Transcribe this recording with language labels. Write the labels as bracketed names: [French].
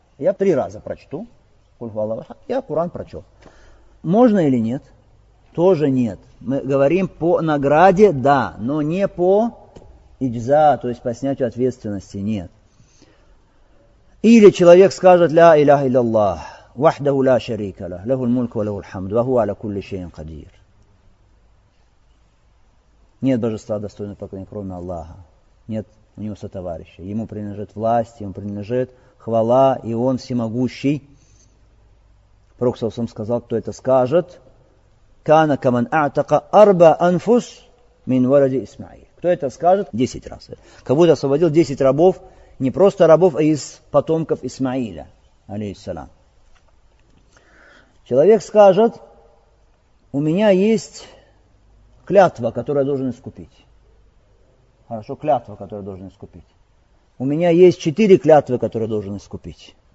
[Russian] Я три раза прочту, куль хува Аллаху ахад, я Кур'ан прочел. Можно или нет? Тоже нет. Мы говорим по награде, да, но не по иджза, то есть по снятию ответственности, нет. Или человек скажет, ля иляха илляллах. [Arabic] وحده لا شريك له له الملك وله الحمد وهو على كل شيء قدير. [Russian] Нет божества достойного поклонения кроме Аллаха. Нет у него сотоварища. Ему принадлежит власть, ему принадлежит хвала, и он всемогущий. [Arabic] Пророк Саусам сказал, кто это скажет, كان كمن اعتق اربع انفس من ولد اسماعيل. [Russian] Кто это скажет 10 раз. Как будто освободил 10 рабов, не просто рабов, а из потомков Исмаиля, алейхиссалам. Человек скажет, у меня есть клятва, которую я должен искупить. Хорошо, клятва, которую я должен искупить. У меня есть 4 клятвы, которые я должен искупить.